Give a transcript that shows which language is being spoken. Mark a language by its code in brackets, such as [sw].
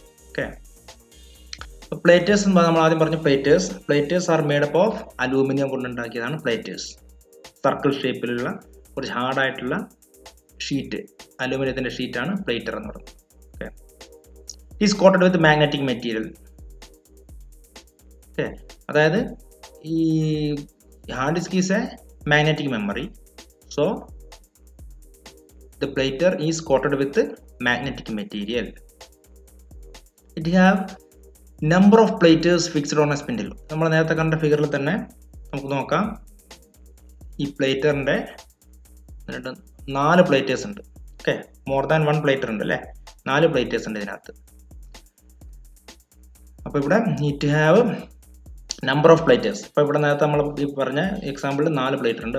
[ml] Okay, അപ്പോൾ പ്ലേറ്റേഴ്സ് എന്ന് പറഞ്ഞാൽ നമ്മൾ ആദ്യം പറഞ്ഞു [en] platters are made up of aluminium [ml] കൊണ്ടുണ്ടാക്കിയതാണ് പ്ലേറ്റേഴ്സ്. Circle ഷേപ്പിലുള്ള കുറച്ച് ഹാർഡായിട്ടുള്ള ഷീറ്റ്, അലൂമിനിയത്തിൻ്റെ ഷീറ്റാണ് പ്ലേറ്റർ എന്ന് പറയുന്നത്. [en] Okay, is coated with magnetic material. Okay, അതായത് ഈ hard disk is a magnetic memory, so the platter is coated with magnetic material. It have number of platters fixed on a spindle. [ml] നമ്മൾ നേരത്തെ കണ്ട ഫിഗറിൽ തന്നെ നമുക്ക് നോക്കാം ഈ പ്ലേറ്ററിന്റെ നാല് പ്ലേറ്റേഴ്സ് ഉണ്ട്. Okay, [en] more than one [ml] plater ഉണ്ട് അല്ലേ, നാല് പ്ലേറ്റേഴ്സ് ഉണ്ട് ഇതിനകത്ത്. അപ്പൊ ഇവിടെ [en] It have number of platters. [ml] അപ്പൊ ഇവിടെ നേരത്തെ നമ്മൾ ഈ പറഞ്ഞ എക്സാമ്പിൾ നാല് പ്ലേറ്റർ ഉണ്ട്.